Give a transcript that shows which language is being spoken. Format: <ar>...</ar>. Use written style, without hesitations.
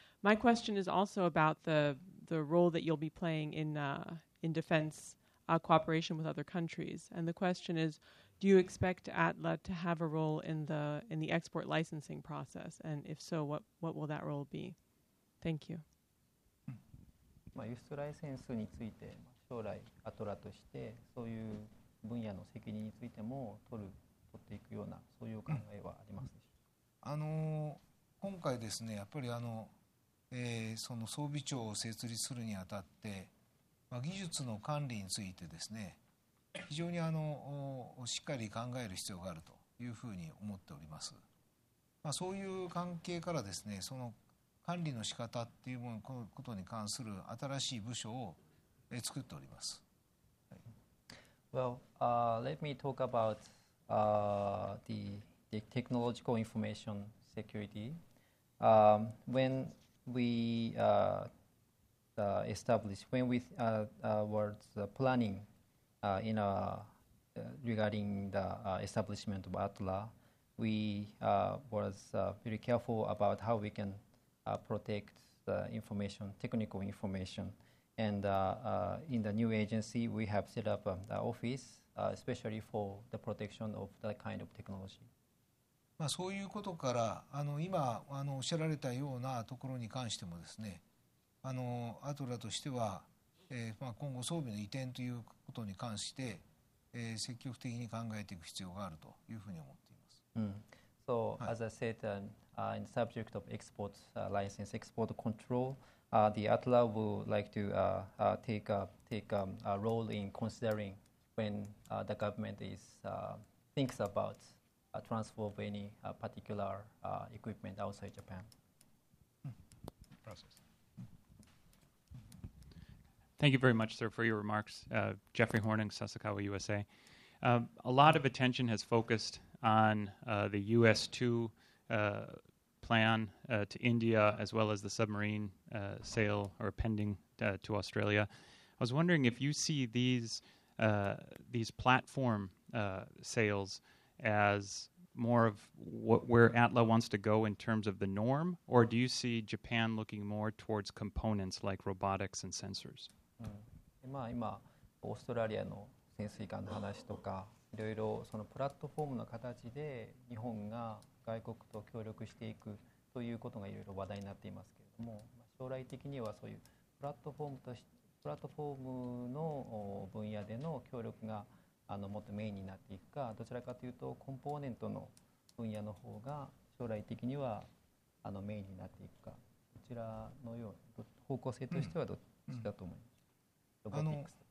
<en>My question is also about the role that you'll be playing in defense cooperation with other countries. And the question is, do you expect ATLA to have a role in the export licensing process? And if so, what will that role be? Thank you.</en> <ja>まあ、輸出ライセンスについて、将来アトラとしてそういう分野の責任についても取っていくような、そういう考えはありますでしょうか？今回ですね、やっぱりその装備庁を設立するにあたって、まあ、技術の管理についてですね、非常にしっかり考える必要があるというふうに思っております。まあ、そういう関係からですね、その管理の仕方っていうものことに関する新しい部署を作っております。</ja> <en>Well, let me talk about the technological information security. When we established, when we were planning in regarding the establishment of ATLA, we was very careful about how we can protect the information, technical information. And in the new agency, we have set up an office, especially for the protection of that kind of technology.</en> <ja>まあ、そういうことから今おっしゃられたようなところに関してもですね、アトラとしては、まあ、今後装備の移転ということに関して、積極的に考えていく必要があるというふうに思っています。 Mm.</ja> <en>So、はい、as I said, in the subject of export license, export control,the ATLA would like to take a role in considering when the government is thinks about transfer of any particular equipment outside Japan. Process. Thank you very much, sir, for your remarks. Jeffrey Horning, Sasakawa, USA. A lot of attention has focused on the US-2 plan to India, as well as the submarine sale or pending to Australia. I was wondering if you see these platform sales as more of where ATLA wants to go in terms of the norm, or do you see Japan looking more towards components like robotics and sensors? Mm.</en> <ja>Australia の潜水艦の話とか、いろいろそのプラットフォームの形で日本が外国と協力していくということがいろいろ話題になっていますけれども、将来的にはそういうプラットフォームとしプラットフォームの分野での協力がもっとメインになっていくか、どちらかというとコンポーネントの分野の方が将来的にはメインになっていくか、こちらのような方向性としてはどっちだと思いますか。</ja>